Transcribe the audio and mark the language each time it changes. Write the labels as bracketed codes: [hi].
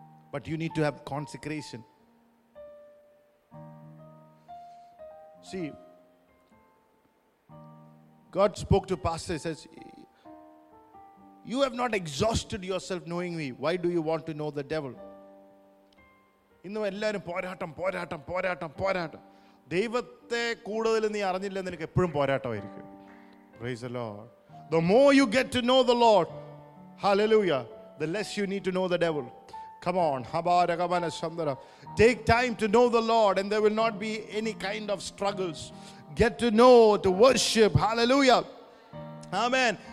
[en] But you need to have consecration. See, God spoke to Pastor, he says, you have not exhausted yourself knowing me. Why do you want to know the devil? [ml] ഇന്നും എല്ലാവരും പോരാട്ടം പോരാട്ടം പോരാട്ടം പോരാട്ടം. ദൈവത്തെ കൂടുതൽ നീ അറിഞ്ഞില്ലെന്ന് എനിക്ക് എപ്പോഴും പോരാട്ടമായിരിക്കും. [en] Praise the Lord. The more you get to know the Lord, hallelujah, the less you need to know the devil. Come on, Habaragamana Sandara. Take time to know the Lord and there will not be any kind of struggles. Get to know, to worship, hallelujah. Amen.